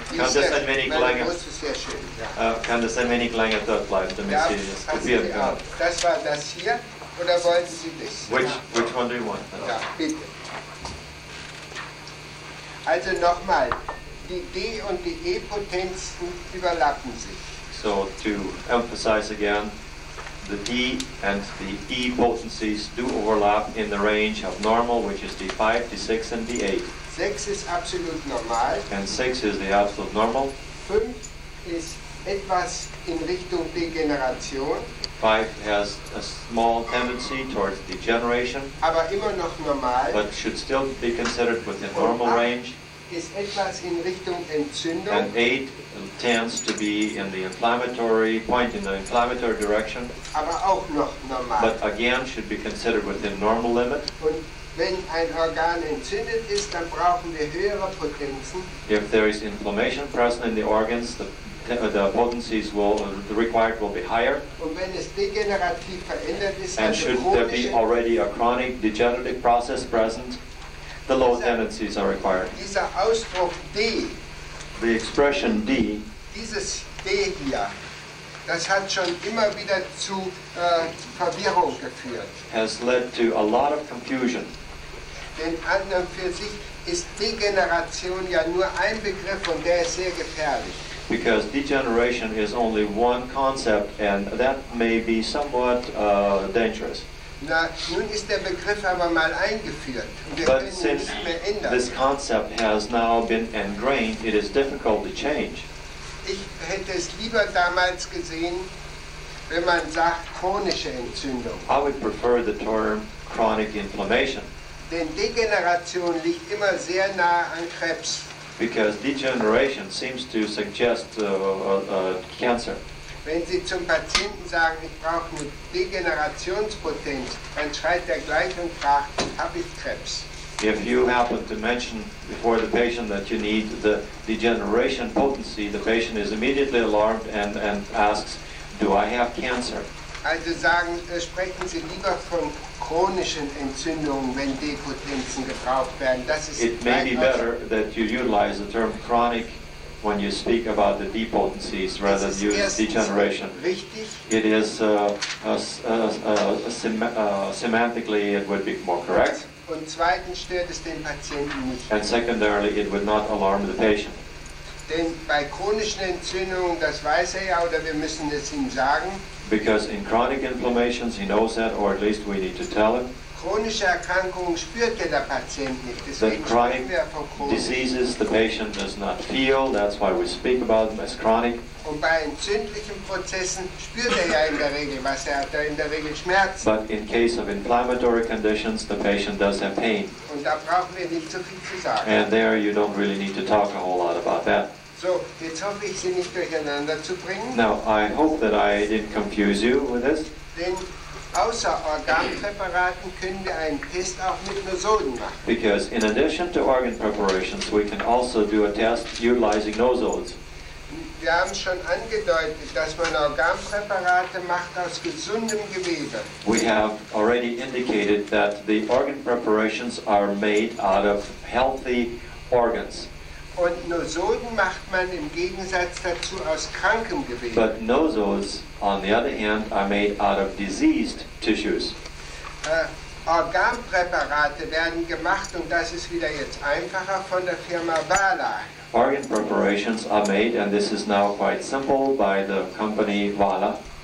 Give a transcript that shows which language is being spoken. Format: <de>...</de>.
<de>Kann das ein wenig länger dort bleiben, damit Sie das kopieren können? Das war das hier. Oder wollten Sie das?</de> <en>Which one do you want?</en> <de>Ja, bitte. Also nochmal, die D- und die E-Potenzen überlappen sich.</de> <en>So, to emphasize again, the D and the E potencies do overlap in the range of normal, which is D5, D6, and D8. 6 is absolute normal. And 6 is the absolute normal.</en> <de>5 is etwas in Richtung Degeneration.</de> <en>5 has a small tendency towards degeneration.</en> <de>Aber immer noch normal.</de> <en>But should still be considered within</en> <de>und</de> <en>normal range.</en> <de>Ist etwas in Richtung Entzündung.</de> <en>And 8 tends to be in the inflammatory point, in the inflammatory direction.</en> <de>Aber auch noch normal.</de> <en>But again, should be considered within normal limit.</en> <de>Und wenn ein Organ entzündet ist, dann brauchen wir höhere Potenzen.</de> <en>If there is inflammation present in the organs, the potencies required will be higher.</en> <de>Und wenn es degenerativ verändert ist,</de> <en>and should there be already a chronic degenerative process present, the low tendencies are required.</en> <de>Dieser Ausdruck D,</de> <en>the expression D,</en> <de>dieses D hier, das hat schon immer wieder zu Verwirrung geführt.</de> <en>Has led to a lot of confusion.</en> <de>Denn an und für sich ist Degeneration ja nur ein Begriff und der ist sehr gefährlich.</de> <en>Because degeneration is only one concept and that may be somewhat dangerous.</en> <de>Na, nun ist der Begriff aber mal eingeführt. Wir</de> <en>but since this concept has now been ingrained, it is difficult to change.</en> <de>Ich hätte es lieber damals gesehen, wenn man sagt chronische Entzündung.</de> <en>I would prefer the term chronic inflammation.</en> <de>Denn Degeneration liegt immer sehr nah an Krebs.</de> <en>Because degeneration seems to suggest cancer.</en> <de>Wenn Sie zum Patienten sagen, ich brauche eine Degenerationspotenz, dann schreit er gleich und fragt, habe ich Krebs?</de> <en>If you happen to mention before the patient that you need the degeneration potency, the patient is immediately alarmed and asks, do I have cancer?</en> <de>Also sagen, sprechen Sie lieber von chronischen Entzündungen, wenn Depotenzen gebraucht werden. Das ist</de> <en>it may be better that you utilize the term chronic when you speak about the depotencies rather than use degeneration.</en> <de>Richtig.</de> <en>It is semantically it would be more correct.</en> <de>Und zweitens stört es den Patienten nicht.</de> <en>And secondarily it would not alarm the patient.</en> <de>Denn bei chronischen Entzündungen, das weiß er ja, oder wir müssen es ihm sagen.</de> <en>Because in chronic inflammations, he knows that, or at least we need to tell him.</en> <de>Chronische Erkrankungen spürt ja der Patient nicht. Deswegen</de> <en>that chronic diseases the patient does not feel, that's why we speak about them as chronic.</en> <de>Und bei entzündlichen Prozessen spürt er ja in der Regel, was er hat, in der Regel Schmerzen.</de> <en>But in case of inflammatory conditions, the patient does have pain.</en> <de>Und da brauchen wir nicht so viel zu sagen.</de> <en>And there you don't really need to talk a whole lot about that.</en> <de>So, jetzt hoffe ich, Sie nicht durcheinander zu bringen.</de> <en>Now, I hope that I didn't confuse you with this.</en> <de>Denn außer Organpräparaten können wir einen Test auch mit Nosoden machen.</de> <en>Because in addition to organ preparations, we can also do a test utilizing nosodes.</en> <de>Wir haben schon angedeutet, dass man Organpräparate macht aus gesundem Gewebe.</de> <en>We have already indicated that the organ preparations are made out of healthy organs.</en> <de>Und Nosoden macht man im Gegensatz dazu aus krankem Gewebe.</de> <en>But nosodes, on the other hand, are made out of diseased tissues.</en> <de>Organpräparate werden gemacht, und das ist wieder jetzt einfacher, von der Firma Vala.</de> <en>Organ preparations are made, and this is now quite simple, by the company Vala.</en>